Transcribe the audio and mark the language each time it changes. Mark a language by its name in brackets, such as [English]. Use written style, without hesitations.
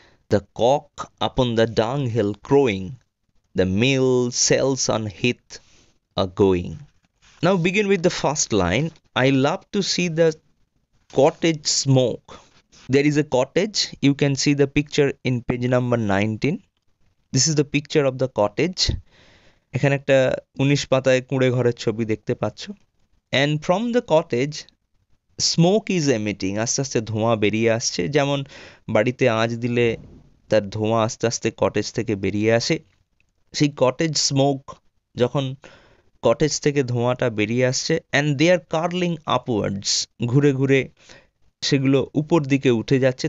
[English] The cock upon the dunghill crowing, the mill cells on heath are going. Now begin with the first line. I love to see the cottage smoke. There is a cottage. You can see the picture in page number 19. This is the picture of the cottage. [Bangla] এখানে একটা 19 পাতায় কুঁড়ে ঘরের ছবি দেখতে পাচ্ছ. [English] And from the cottage, smoke is emitting. [Bangla] আস্তে আস্তে ধোঁয়া বেরিয়ে আসছে. যেমন বাড়িতে আঁচ দিলে তার ধোঁয়া আস্তে আস্তে কটেজ থেকে বেরিয়ে আসে. সেই কটেজ স্মোক যখন কটেজ থেকে ধোঁয়াটা বেরিয়ে আসছে, [English] and they are curling upwards, [Bangla] ঘুরে ঘুরে সেগুলো উপর দিকে উঠে যাচ্ছে.